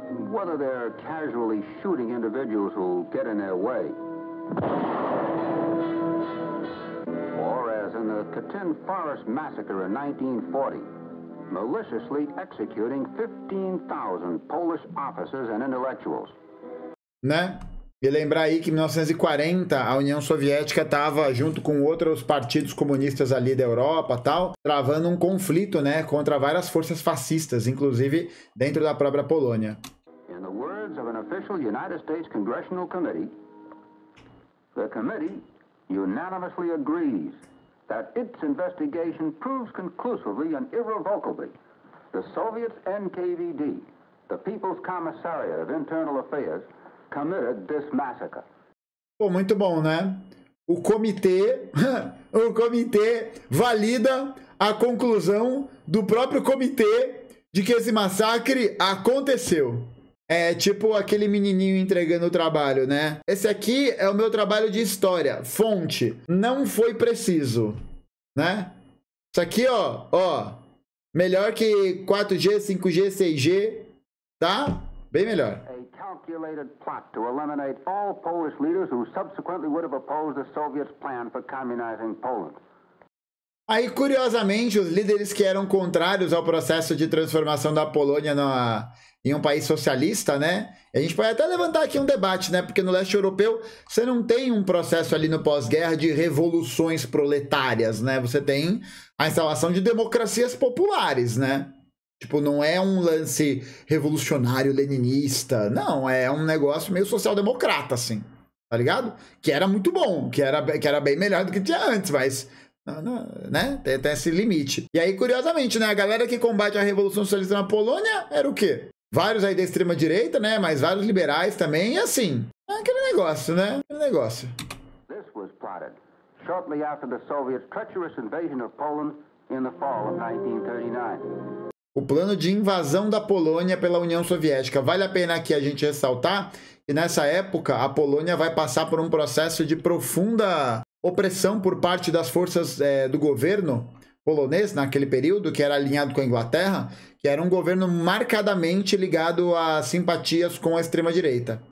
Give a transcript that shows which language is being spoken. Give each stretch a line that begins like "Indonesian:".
English: Whether they're casually shooting individuals who get in their way, or as in the Katyn Forest Massacre in 1940, maliciously executing 15,000 Polish officers and intellectuals.
Portuguese: Né? E lembrar aí que em 1940 a União Soviética estava, junto com outros partidos comunistas ali da Europa e tal, travando um conflito, né, contra várias forças fascistas, inclusive dentro da própria Polônia.
English: In the words of an official United States Congressional Committee, the committee unanimously agrees that its investigation proves conclusively and irrevocably the Soviet NKVD, the People's Commissariat of Internal Affairs, committed this massacre.
Portuguese: Pô, muito bom, né? O comitê valida a conclusão do próprio comitê de que esse massacre aconteceu. É tipo aquele menininho entregando o trabalho, né? Esse aqui é o meu trabalho de história. Fonte, não foi preciso. né? Isso aqui, ó, ó. Melhor que 4G, 5G, 6G, tá? Bem melhor.
English: A calculated plot to eliminate all Polish leaders who subsequently would have opposed the Soviets' plan for communizing Poland.
Portuguese: Aí, curiosamente, os líderes que eram contrários ao processo de transformação da Polônia em um país socialista, né? A gente pode até levantar aqui um debate, né? Porque no leste europeu, você não tem um processo ali no pós-guerra de revoluções proletárias, né? Você tem a instalação de democracias populares, né? Tipo, não é um lance revolucionário, leninista. Não, é um negócio meio social-democrata, assim. Tá ligado? Que era muito bom, que era bem melhor do que tinha antes, mas... Não, né? Tem esse limite. E aí, curiosamente, né? A galera que combate a Revolução Socialista na Polônia era o quê? Vários aí da extrema-direita, né? Mas vários liberais também, e assim. É aquele negócio, né? Aquele negócio.
English: This was plotted shortly after the Soviet treacherous invasion of Poland in the fall of 1939.
Portuguese: O plano de invasão da Polônia pela União Soviética. Vale a pena aqui a gente ressaltar que nessa época a Polônia vai passar por um processo de profunda opressão por parte das forças do governo polonês naquele período, que era alinhado com a Inglaterra, que era um governo marcadamente ligado a simpatias com a extrema-direita.